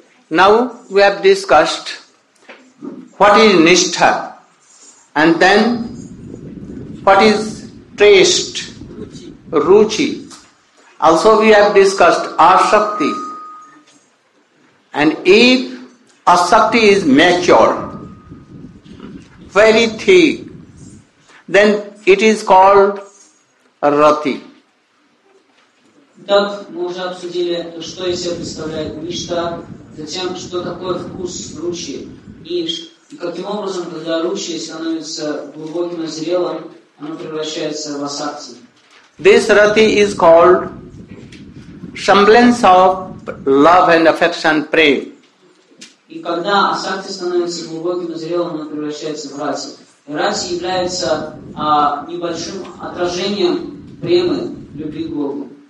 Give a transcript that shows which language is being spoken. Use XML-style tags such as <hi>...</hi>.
<en>Now we have discussed what is nishtha and then what is taste, ruchi. Also we have discussed asakti. And if asakti is mature, very thick, then it is called rati.</en> <ru>Так, мы уже обсудили, что из себя представляет ништа, затем, что такое вкус ручи, и каким образом, когда ручи становится глубоким и зрелым, оно превращается в асакти.</ru> <en>This rati is called semblance of love and affection, prem.</en> <ru>И когда асакти становится глубоким и зрелым, он превращается в раси. Раси является небольшим отражением премы, любви к Богу.</ru>